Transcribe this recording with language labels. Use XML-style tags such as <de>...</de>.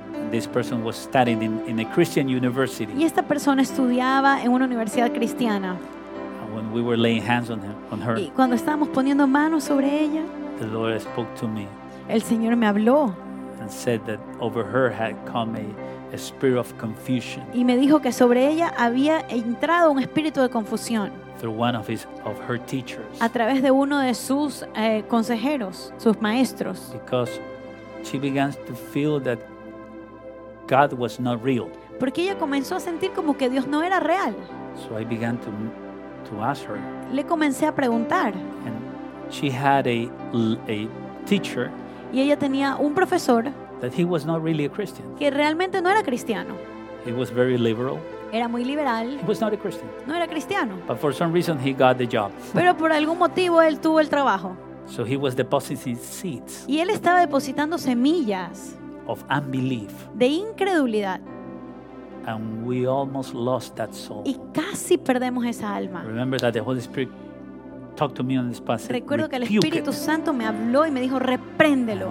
<en>This person was studying in a Christian university.</en> <es>Y esta persona estudiaba en una universidad cristiana.</es> <en>And when we were laying hands on him, on her.</en> <es>Y cuando estábamos poniendo manos sobre ella.</es> <en>The Lord spoke to me.</en> <es>El Señor me habló.</es> <en>And said that over her had come a spirit of confusion.</en> <es>Y me dijo que sobre ella había entrado un espíritu de confusión.</es> <en>Through one of his of her teachers.</en> <es>A través de uno de sus consejeros, sus maestros.</es> <en>Because she began to feel that God was not real.</en> <es>Porque ella comenzó a sentir como que Dios no era real.</es> <en>So I began to ask her.</en> <es>Le comencé a preguntar.</es> <en>And she had a teacher.</en> <es>Y ella tenía un profesor.</es> <en>That he was not really a Christian.</en> <es>Que realmente no era cristiano.</es> <en>He was very liberal.</en> <es>Era muy liberal.</es> <en>He was not a Christian.</en> <es>No era cristiano.</es> <en>But for some reason he got the job.</en> <es>Pero por algún motivo él tuvo el trabajo.</es> <en>So he was depositing seeds.</en> <es>Y él estaba depositando semillas.</es> <en>Of unbelief.</en> <es>De incredulidad.</es> <en>And we almost lost that soul.</en> <es>Y casi perdemos esa alma.</es> <en>Remember that the Holy Spirit talked to me on this passage.</en> <es>Recuerdo que el Espíritu Santo me habló y me dijo, repréndelo.</es>